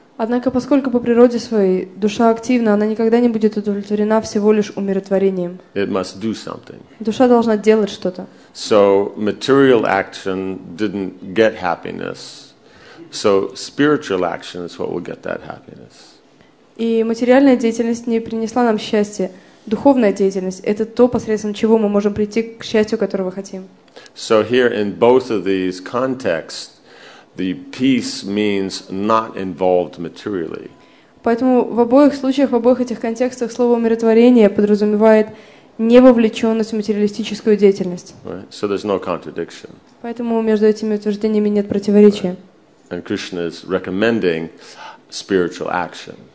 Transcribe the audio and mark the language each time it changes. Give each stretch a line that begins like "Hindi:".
Russian: Однако, поскольку по природе своей душа активна, она никогда не будет удовлетворена всего лишь умиротворением.
English: It must do something.
Russian: Душа должна делать что-то.
English: So material action didn't get happiness. So spiritual action is what will get that happiness.
Russian: И материальная деятельность не принесла нам счастья. Духовная деятельность — это то, посредством чего мы можем прийти к счастью, которого хотим.
English: So here in both of these contexts, the peace means not involved materially.
Russian: Поэтому в обоих случаях, в обоих этих контекстах слово умиротворение подразумевает не вовлеченность в материалистическую деятельность.
English: Right. So there's no contradiction.
Russian: Поэтому между этими утверждениями нет противоречия.
English: Right. And Krishna is recommending spiritual action.